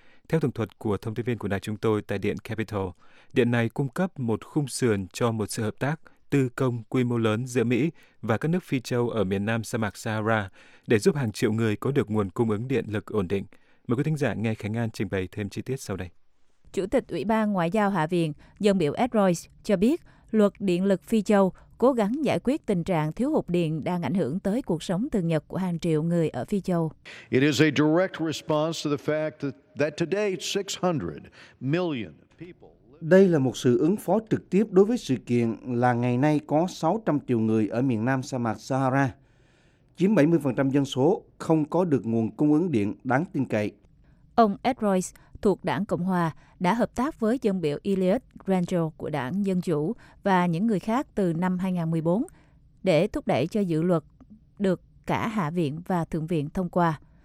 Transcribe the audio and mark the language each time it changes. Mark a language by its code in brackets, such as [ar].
[vi] Theo tường thuật của thông tin viên của đài chúng tôi tại điện Capitol, điện này cung cấp một khung sườn cho một sự hợp tác tư công quy mô lớn giữa Mỹ và các nước phi châu ở miền nam sa mạc Sahara để giúp hàng triệu người có được nguồn cung ứng điện lực ổn định. Mời quý thính giả nghe Khánh An trình bày thêm chi tiết sau đây. Chủ tịch Ủy ban Ngoại giao Hạ viện, dân biểu Ed Royce cho biết, luật điện lực phi châu cố gắng giải quyết tình trạng thiếu hụt điện đang ảnh hưởng tới cuộc sống thường nhật của hàng triệu người ở phi châu. [en] It is a direct response to the fact that today 600 million people. [vi] Đây là một sự ứng phó trực tiếp đối với sự kiện là ngày nay có 600 triệu người ở miền nam sa mạc Sahara, chiếm 70% dân số không có được nguồn cung ứng điện đáng tin cậy. Ông Ed Royce thuộc Đảng Cộng hòa đã hợp tác với dân biểu Elliot Rangel của Đảng Dân chủ và những người khác từ năm 2014 để thúc đẩy cho dự luật được cả Hạ viện và Thượng viện thông qua.